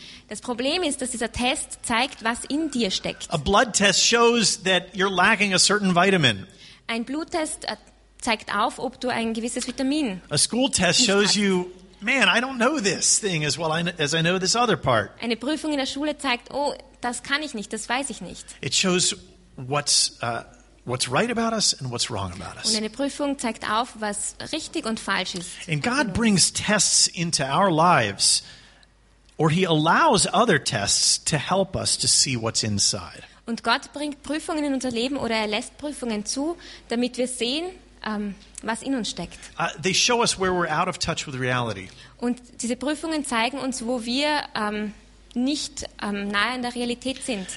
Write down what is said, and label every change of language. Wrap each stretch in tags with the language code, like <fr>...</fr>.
<de>Das Problem ist, dass dieser Test zeigt, was in dir steckt.</de> <en>A blood test shows that you're lacking a certain vitamin.</en> <de>Ein Bluttest zeigt auf, ob du ein gewisses Vitamin nicht hast.</de> <en>A school test shows you, man, I don't know this thing as well as I know this other part.</en> <de>Eine Prüfung in der Schule zeigt, oh, das kann ich nicht, das weiß ich nicht.</de> <en>It shows what's right about us and what's wrong about us.</en> <de>Und eine Prüfung zeigt auf, was richtig und falsch ist.</de> <en>And God brings tests into our lives, or he allows other tests to help us to see what's inside.</en> <de>Und Gott bringt Prüfungen in unser Leben oder er lässt Prüfungen zu, damit wir sehen, was in uns steckt.</de> <en>They show us where we're out of touch with reality.</en> <de>Und diese Prüfungen zeigen uns, wo wir nicht nahe an der Realität sind.</de>